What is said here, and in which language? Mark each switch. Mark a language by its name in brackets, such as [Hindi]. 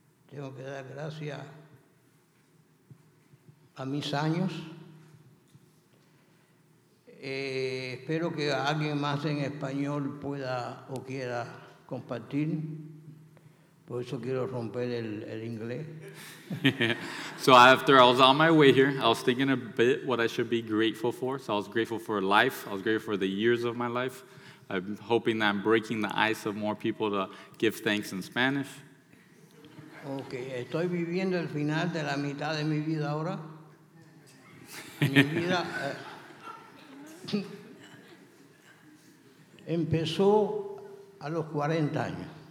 [Spanish] Tengo que dar gracias a mis años. Espero que alguien más en español pueda o quiera compartir. Por eso quiero romper el inglés. [English] So after I was on my way here, I was thinking a bit what I should be grateful for. So I was grateful for life. I was grateful for the years of my life. I'm hoping that I'm breaking the ice of more people to give thanks in Spanish. [Spanish] Okay, estoy viviendo el final de la mitad de mi vida ahora. Mi vida empezó a los 40 años.